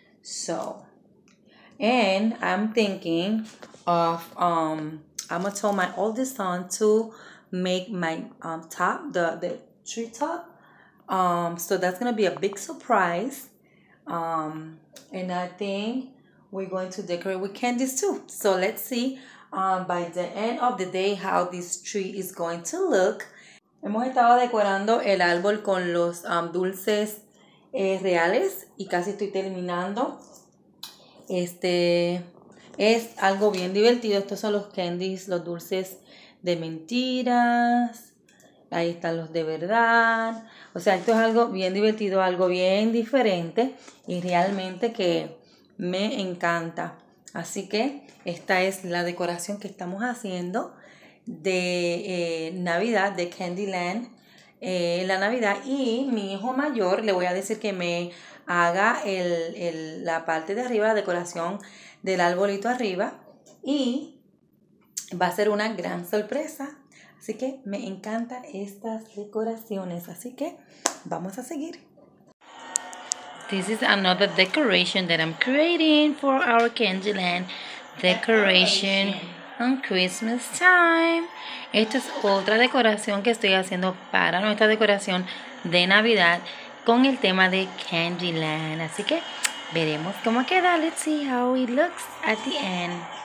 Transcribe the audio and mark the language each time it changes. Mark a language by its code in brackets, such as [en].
[en] So, and I'm thinking of I'm gonna tell my oldest son to make my top, the tree top. So that's gonna be a big surprise. And I think we're going to decorate with candies too. So let's see by the end of the day how this tree is going to look. [es] Hemos estado decorando el árbol con los dulces reales y casi estoy terminando. Este es algo bien divertido. Estos son los candies, los dulces de mentiras. Ahí están los de verdad. O sea, esto es algo bien divertido, algo bien diferente. Y realmente que me encanta. Así que esta es la decoración que estamos haciendo de Navidad, de Candyland. La Navidad. Y mi hijo mayor, le voy a decir que me haga la parte de arriba, la decoración del arbolito arriba. Y va a ser una gran sorpresa. Así que me encantan estas decoraciones. Así que vamos a seguir. [en] This is another decoration that I'm creating for our Candyland decoration on Christmas time. [es] Esta es otra decoración que estoy haciendo para nuestra decoración de Navidad con el tema de Candyland. Así que veremos cómo queda. [en] Let's see how it looks at the end.